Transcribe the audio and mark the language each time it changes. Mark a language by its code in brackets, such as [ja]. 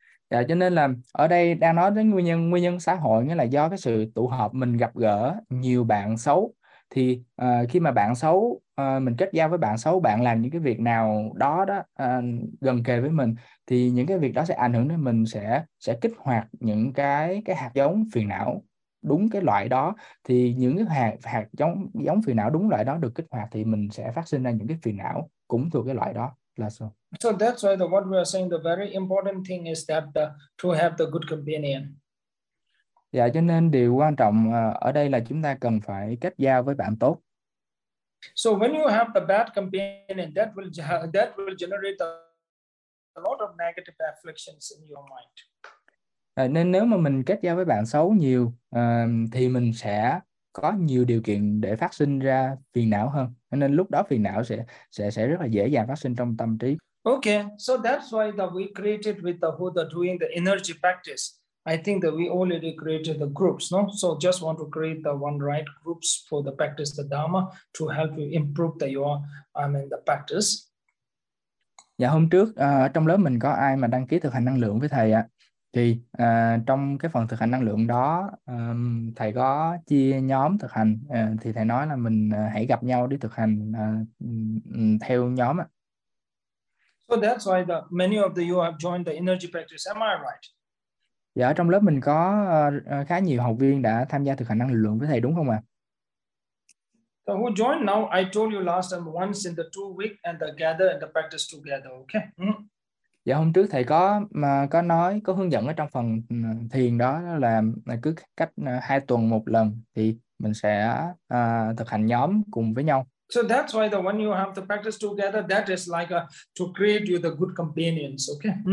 [vi] Dạ, cho nên là ở đây đang nói đến nguyên nhân xã hội, nghĩa là do cái sự tụ họp mình gặp gỡ nhiều bạn xấu, thì khi mà bạn xấu mình kết giao với bạn xấu, bạn làm những cái việc nào đó đó gần kề với mình, thì những cái việc đó sẽ ảnh hưởng đến mình, sẽ kích hoạt những cái hạt giống phiền não đúng cái loại đó, thì những cái hạt giống giống phiền não đúng loại đó được kích hoạt thì mình sẽ phát sinh ra những cái phiền não cũng thuộc cái loại đó là sao. [en] So that's why the what we are saying, the very important thing is that to have the good companion. [vi] Dạ, cho nên điều quan trọng ở đây là chúng ta cần phải kết giao với bạn tốt. [en] So when you have the bad companion, that will generate a lot of negative afflictions in your mind. [vi] Nên nếu mà mình kết giao với bạn xấu nhiều thì mình sẽ có nhiều điều kiện để phát sinh ra phiền não hơn. Nên lúc đó phiền não sẽ rất là dễ dàng phát sinh trong tâm trí. [en] Okay, so that's why that we created with the Buddha doing the energy practice. I think that we already created the groups, no? So just want to create the one right groups for the practice the Dharma to help you improve the your I mean the practice. [vi] Dạ, hôm trước ở trong lớp mình có ai mà đăng ký thực hành năng lượng với thầy ạ. Thì trong cái phần thực hành năng lượng đó thầy có chia nhóm thực hành, thì thầy nói là mình hãy gặp nhau đi thực hành theo nhóm ạ. [en] So that's why the many of the you have joined the energy practice. Am I right? [vi] Dạ, ở trong lớp mình có khá nhiều học viên đã tham gia thực hành năng lượng với thầy đúng không ạ? [en] Who joined now? I told you last time once in the 2 week and the gather and the practice together. Okay. [vi] Dạ, hôm trước thầy có mà có nói có hướng dẫn ở trong phần thiền đó là cứ cách 2 tuần một lần thì mình sẽ thực hành nhóm cùng với nhau. [en] So that's why the one you have to practice together, that is like a, to create you the good companions, okay?